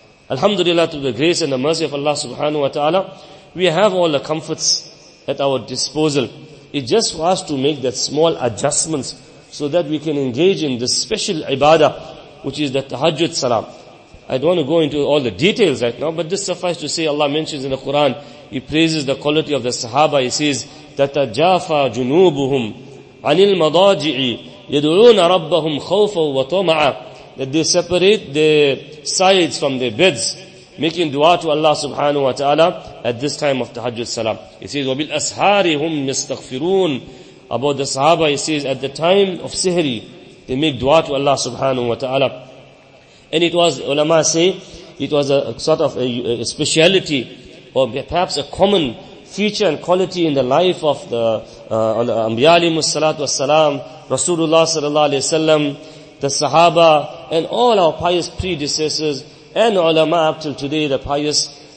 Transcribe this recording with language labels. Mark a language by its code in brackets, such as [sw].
[en] Alhamdulillah, through the grace and the mercy of Allah subhanahu wa ta'ala, we have all the comforts at our disposal. It's just for us to make that small adjustments so that we can engage in this special ibadah, which is the tahajjud salah. I don't want to go into all the details right now, but this suffice to say, Allah mentions in the Quran, He praises the quality of the Sahaba. He says, [ar] تَتَجَافَ جُنُوبُهُمْ عَنِ الْمَضَاجِعِ يَدُعُونَ رَبَّهُمْ خَوْفًا وَطَمَعًا. [en] That they separate the sides from their beds, making dua to Allah subhanahu wa ta'ala at this time of tahajjud salam. He says, [ar] وَبِالْأَسْحَارِ هُمْ يَسْتَغْفِرُونَ. [en] About the Sahaba, he says, at the time of sihri, they make dua to Allah subhanahu wa ta'ala. And it was, ulama say, it was a sort of a speciality or perhaps a common feature and quality in the life of the Anbiya alayhi salatu was salam, Rasulullah sallallahu alayhi wa sallam, the Sahaba, and all our pious predecessors and ulama up till today, the pious.